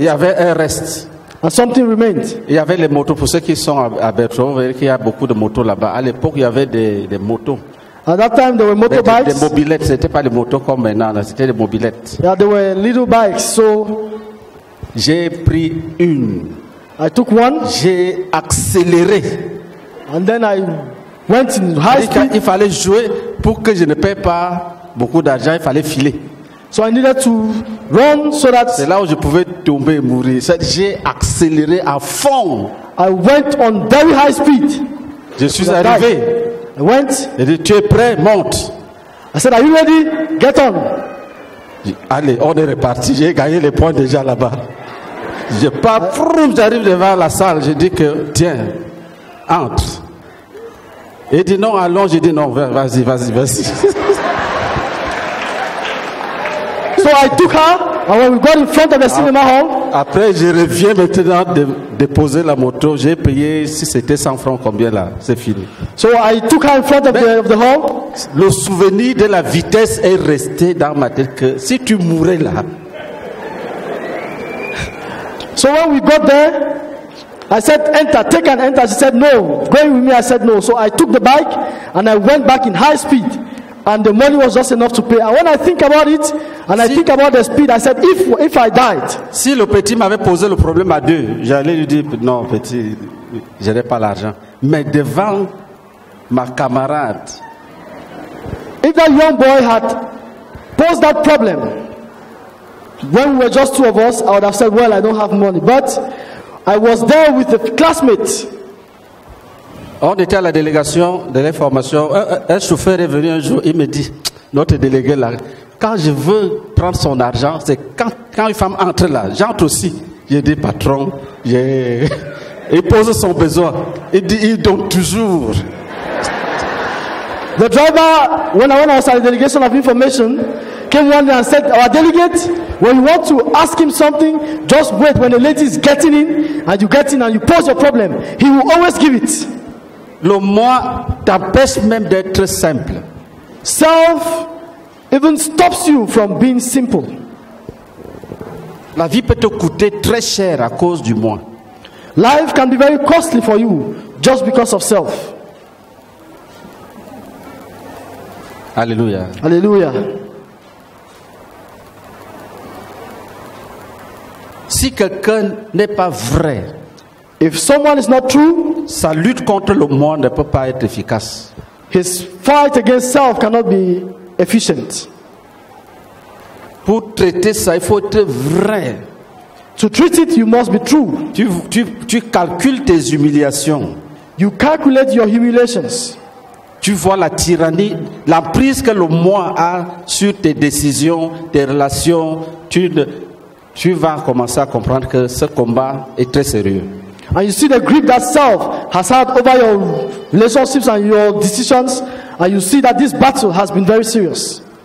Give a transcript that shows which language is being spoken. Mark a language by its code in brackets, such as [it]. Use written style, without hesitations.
[fr] Il y avait un reste. [en] And something remained. [fr] Il y avait les motos pour ceux qui sont à Bertrand. Vous voyez qu'il y a beaucoup de motos là-bas. À l'époque, il y avait des motos. [en] At that time, there were motorbikes. [fr] Des mobilettes. C'était pas des motos comme maintenant. C'était des mobilettes. [en] Yeah, they were little bikes. So [fr] j'ai pris une. [en] I took one. [fr] J'ai accéléré. [en] And then I went in high speed. [fr] Il fallait jouer pour que je ne paye pas beaucoup d'argent, il fallait filer. [en] So I needed to run so that. [fr] C'est là où je pouvais tomber et mourir. C'est, j'ai accéléré à fond. [en] I went on very high speed. [fr] Je suis arrivé. [en] I went. [fr] Il dit, tu es prêt, monte. [en] I said, are you ready? Get on. [fr] Allez, on est reparti. J'ai gagné les points déjà là-bas. Je pars, j'arrive devant la salle. Je dis que, tiens, entre. Il dit, non, allons. Je dis, non, vas-y. [en] So I took her, and when we got in front of the cinema hall. [fr] Après, je reviens maintenant de déposer la moto. J'ai payé, si c'était 100 francs, combien là? C'est fini. [en] So I took her in front of the hall. [fr] Le souvenir de la vitesse est resté dans ma tête que si tu mourais là. [en] So when we got there, I said, enter, take and enter. She said, no, going with me. I said, no. So I took the bike, and I went back in high speed. And the money was just enough to pay. And when I think about it, and si, I think about the speed, I said, if I died. [fr] Si le petit m'avait posé le problème à deux, j'allais lui dire, non, petit, je n'ai pas l'argent. Mais devant ma camarade. [en] If that young boy had posed that problem, when we were just two of us, I would have said, well, I don't have money. But I was there with a classmate. [fr] On était à la délégation de l'information. Un chauffeur est venu un jour, il me dit, notre délégué là, quand je veux prendre son argent, c'est quand une femme entre là, j'entre aussi. J'ai dit, patron, il pose son besoin. Il dit, il donne toujours. [en] The driver, when I was at the delegation of information, came one day and said, our delegate, when you want to ask him something, just wait when the lady is getting in, and you get in and you pose your problem. He will always give it. [fr] Le moi t'empêche même d'être simple. [en] Self even stops you from being simple. [fr] La vie peut te coûter très cher à cause du moi. [en] Life can be very costly for you just because of self. [fr] Alléluia. [en] Alléluia. [fr] Si quelqu'un n'est pas vrai, [en] if someone is not true, [fr] sa lutte contre le moi ne peut pas être efficace. [en] His fight against self cannot be efficient. [fr] Pour traiter ça, il faut être vrai. [en] To treat it, you must be true. [fr] Tu calcules tes humiliations. [en] You calculate your humiliations. [fr] Tu vois la tyrannie, l'emprise que le moi a sur tes décisions, tes relations. Tu vas commencer à comprendre que ce combat est très sérieux. [en] And you see the grip that self has had over your relationships and your decisions, and you see that this battle has been very serious.